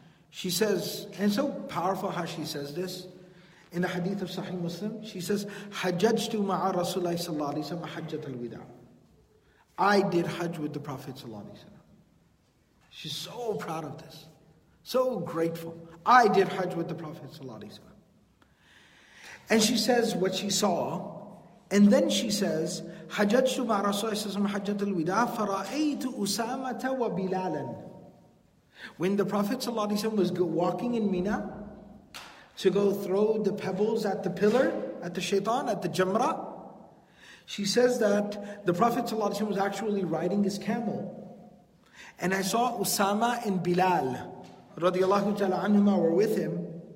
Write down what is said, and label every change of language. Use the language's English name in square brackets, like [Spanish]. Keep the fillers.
[English] She says, and so powerful how she says this, in the hadith of Sahih Muslim, she says, [Arabic] حَجَّجْتُ مَعَ رَسُولَ اللَّهِ صَلَّى اللَّهِ عَلَيْهِ وَسَلَّمَ حَجَّةَ الْوِدَعِ [English] I did Hajj with the Prophet sallallahu alaihi wasallam. She's so proud of this, so grateful. I did Hajj with the Prophet sallallahu alaihi wasallam. And she says what she saw, and then she says, [Arabic] حججت مع رسول الله صلى الله عليه وسلم حجة الوداع فرأيت أسامة وبلالا. [English] When the Prophet صلى الله عليه وسلم was walking in Mina to go throw the pebbles at the pillar, at the shaitan, at the jamra, she says that the Prophet صلى الله عليه وسلم was actually riding his camel. And I saw Usama and Bilal رضي الله تعالى عنهما were with him.